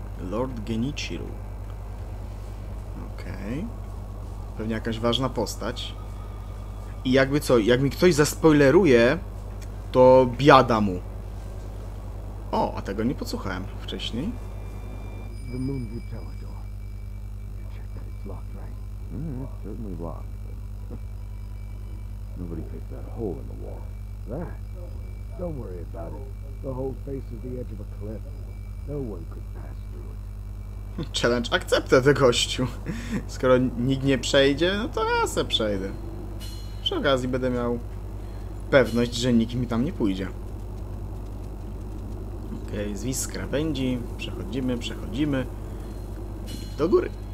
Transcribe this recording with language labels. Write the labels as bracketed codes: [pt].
[en] Lord Genichiro. Okej. Okay. [pl] Pewnie jakaś ważna postać. I jakby co, jak mi ktoś zaspoileruje, to biada mu. O, a tego nie podsłuchałem wcześniej. [en] The moon view tower door. You check that it's locked, right? It's certainly locked, but nobody picked that hole in the wall. That? Don't worry about it. The whole face is the edge of a cliff. No one could pass through. Challenge accepted, [pl] gościu. Skoro nikt nie przejdzie, no to ja se przejdę. Przy okazji będę miał pewność, że nikt mi tam nie pójdzie. Okej, okay, zwisk krawędzi. Przechodzimy. do góry.